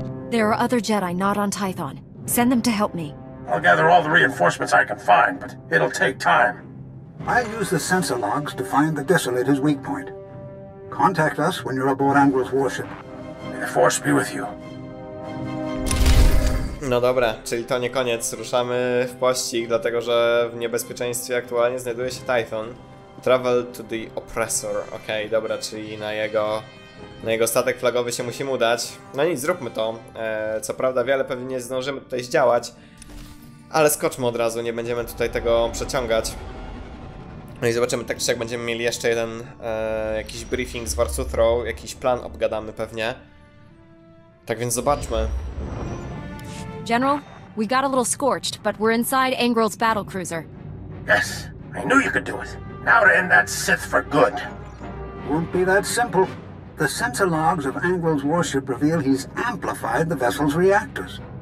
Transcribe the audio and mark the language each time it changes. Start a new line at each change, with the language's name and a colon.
English: There are other Jedi not on Typhon. Send them to help me. I'll gather all the reinforcements I can find, but it'll take time. I'll use the sensor logs to find the Desolator's weak point. Contact us when you're aboard Angral's warship. May the Force be with you.
Polish: No dobra, czyli to nie koniec. Ruszamy w pościg, dlatego że w niebezpieczeństwie aktualnie znajduje się Typhon.
English: Travel to the Oppressor.
Polish: Okej, dobra, czyli na jego statek flagowy się musimy udać. No nic, zróbmy to. Co prawda wiele pewnie nie zdążymy tutaj zdziałać. Ale skoczmy od razu, nie będziemy tutaj tego przeciągać. No i zobaczymy, tak czy jak będziemy mieli jeszcze jeden jakiś briefing z Warsutrą, jakiś plan obgadamy pewnie. Tak więc zobaczmy.
English: General, we got a little scorched, but we're inside Angral's battlecruiser. Yes, I knew you could do it. Now to end that Sith for good. Won't be that simple. The sensor logs of Angral's warship reveal he's amplified the vessel's reactors.